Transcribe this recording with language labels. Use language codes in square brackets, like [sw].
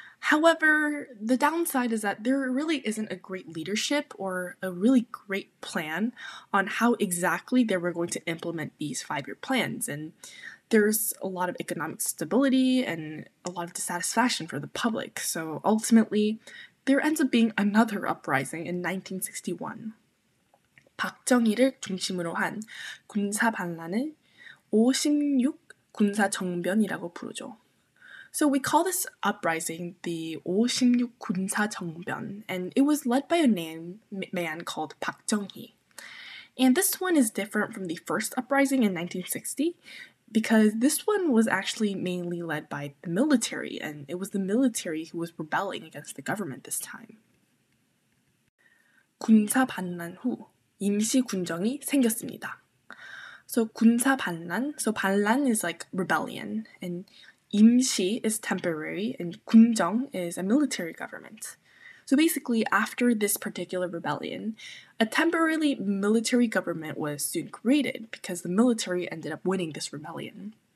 [en] However, the downside is that there really isn't a great leadership or a really great plan on how exactly they were going to implement these 5-year plans. And there's a lot of economic stability and a lot of dissatisfaction for the public. So ultimately, there ends up being another uprising in 1961. [ko] 박정희를 중심으로 한 군사 반란을 56 군사 정변이라고 부르죠. [en] So we call this uprising the 56 군사 정변, and it was led by a man called 박정희. And this one is different from the first uprising in 1960, because this one was actually mainly led by the military, and it was the military who was rebelling against the government this time. [ko] 군사 반란 후 임시 군정이 생겼습니다. [en] So 군사 반란, so 반란 is like rebellion, and 임시 is temporary, and 군정 is a military government. So basically, after this particular rebellion, a temporarily military government was soon created because the military ended up winning this rebellion.